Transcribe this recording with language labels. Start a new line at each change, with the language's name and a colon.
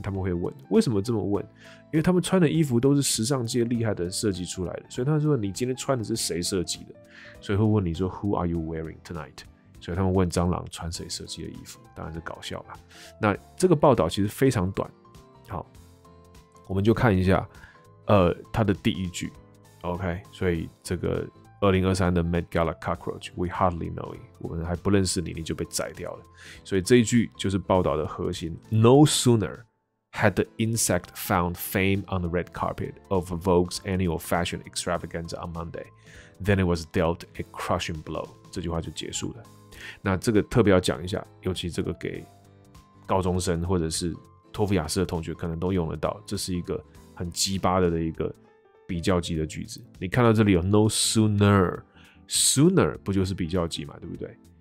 Chinese: 他们会问，为什么这么问？因为他们穿的衣服都是时尚界厉害的人设计出来的，所以他们说你今天穿的是谁设计的？所以会问你说
English: Who are you wearing tonight？
Chinese: 所以他们问蟑螂穿谁设计的衣服，当然是搞笑了。那这个报道其实非常短，好，我们就看一下，他的第一句 ，OK， 所以这个。
English: 2023的 Met Gala Cockroach, We hardly know it.
Chinese: 我们还不认识你，你就被宰掉了。所以这一句就是报道的核心。
English: No sooner had the insect found fame on the red carpet of Vogue's annual fashion extravaganza on Monday than it was dealt a crushing blow.
Chinese: 这句话就结束了。那这个特别要讲一下，尤其这个给高中生或者是托福雅思的同学可能都用得到，这是一个很鸡巴的一个比较级的句子，你看到这里有 no sooner， sooner 不就是比较级嘛，对不对？